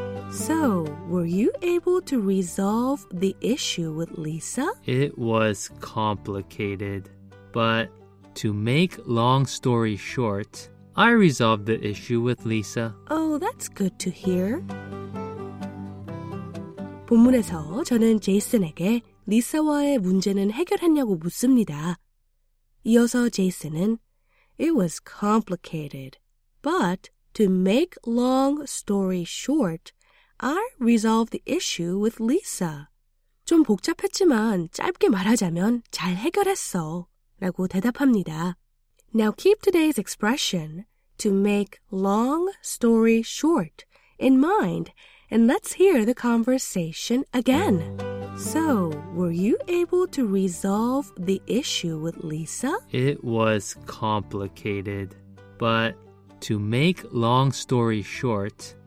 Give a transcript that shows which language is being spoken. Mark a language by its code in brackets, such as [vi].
[en] So, were you able to resolve the issue with Lisa? It was complicated, but to make long story short, I resolved the issue with Lisa. Oh, that's good to hear. [ko] 본문에서 저는 제이슨에게 리사와의 문제는 해결했냐고 묻습니다. 이어서 제이슨은 [en] It was complicated, but to make long story short, I resolved the issue with Lisa. [ko] 좀 복잡했지만 짧게 말하자면 잘 해결했어 라고 대답합니다. [en] Now keep today's expression, to make long story short, in mind, and let's hear the conversation again. So, were you able to resolve the issue with Lisa? It was complicated, but to make long story short,